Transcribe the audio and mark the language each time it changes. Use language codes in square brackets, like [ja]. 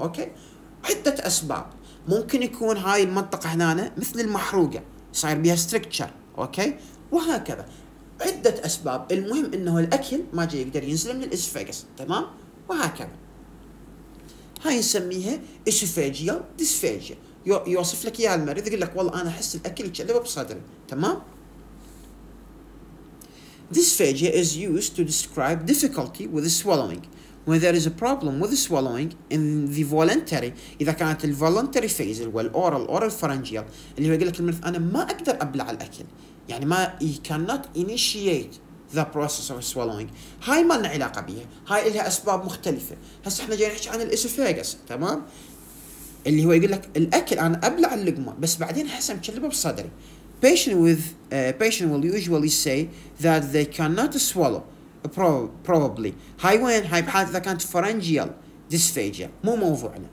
[ar] اوكي، عده اسباب، ممكن يكون هاي المنطقة هنا مثل المحروقة صاير بيها ستريكتشر. اوكي، وهكذا عدة اسباب، المهم انه الاكل ما جاي يقدر ينزل من الاسفاجس. تمام، وهكذا هاي نسميها اسفاجيال ديسفاجيا، يوصف لك اياها المريض يقول لك والله انا احس الاكل يتشلب بصدري. [en] تمام، dysphagia is used to describe difficulty with swallowing when there is a problem with the swallowing in the voluntary. [ar] إذا كانت ال voluntary phase والoral or pharyngeal اللي هو يقول لك المريض أنا ما أقدر أبلع الأكل، يعني ما [en] he cannot initiate the process of swallowing، [ar] هاي ما لنا علاقة بيها، هاي لها أسباب مختلفة. هسا إحنا جاي نحكي عن الإسفاجس. تمام، اللي هو يقول لك الاكل انا ابلع اللقمه بس بعدين حسم كلبه بصدري. [en] Patient will usually say that they cannot swallow probably. [ar] هاي وين؟ هاي بحاله اذا كانت pharyngeal dysphagia مو موضوعنا.